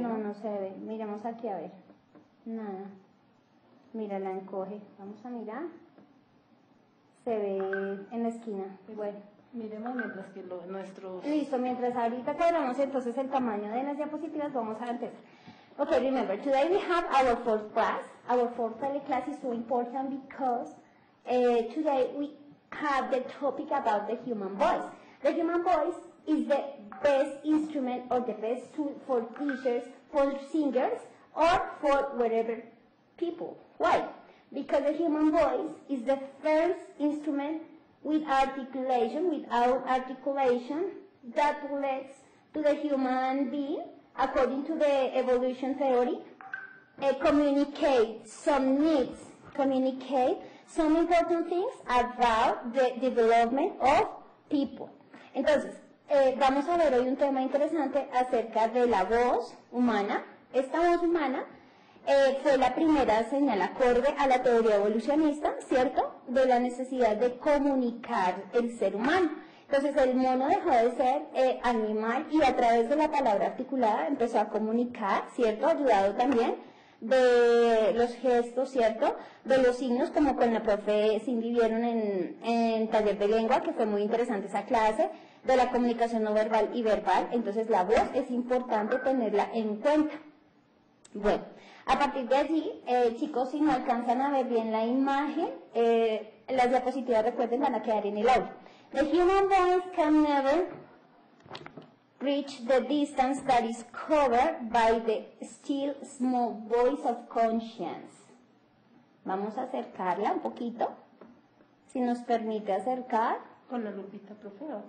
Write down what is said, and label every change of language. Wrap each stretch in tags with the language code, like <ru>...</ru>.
<es>No, no se ve. Miremos aquí a ver. Nada. Mira, la encoge. Vamos a mirar. Se ve en la esquina. Bueno. Miremos mientras que Listo, mientras ahorita cuadramos entonces el tamaño de las diapositivas, vamos a antes.</es> <en>Ok, remember, today we have our fourth class. Our fourth teleclass is so important because today we have the topic about the human voice. The human voice is the best instrument or the best tool for teachers, for singers, or for whatever people. Why? Because the human voice is the first instrument without articulation that leads to the human being, according to the evolution theory, communicate some important things about the development of people.</en> <es>Entonces, vamos a ver hoy un tema interesante acerca de la voz humana. Esta voz humana fue la primera señal acorde a la teoría evolucionista, ¿cierto?, de la necesidad de comunicar el ser humano. Entonces, el mono dejó de ser animal y a través de la palabra articulada empezó a comunicar, ¿cierto?, ayudado también de los gestos, ¿cierto?, de los signos, como con la profe Cindy vieron en taller de lengua, que fue muy interesante esa clase, de la comunicación no verbal y verbal. Entonces, la voz es importante tenerla en cuenta. Bueno, a partir de allí, chicos, si no alcanzan a ver bien la imagen, las diapositivas, recuerden, van a quedar en el aula.</es> <en>The human voice can never reach the distance that is covered by the still small voice of conscience.</en> <es>Vamos a acercarla un poquito, si nos permite acercar. Con la lupita, profe.</es>